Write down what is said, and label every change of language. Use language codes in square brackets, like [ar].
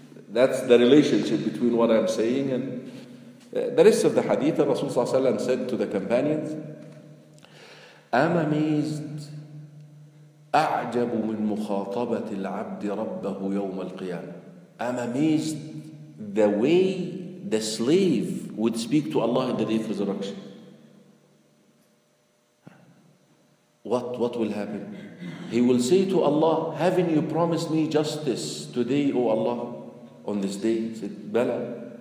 [en] That's the relationship between what I'm saying and the rest of the hadith. Rasul Sallallahu Alaihi Wasallam said to the companions, I'm amazed. [ar] أعجب من مخاطبة العبد ربه يوم القيامة. [en] I'm amazed the way the slave would speak to Allah in the day of resurrection. What will happen? He will say to Allah, haven't you promised me justice today, O Allah, on this day? He said, Bala.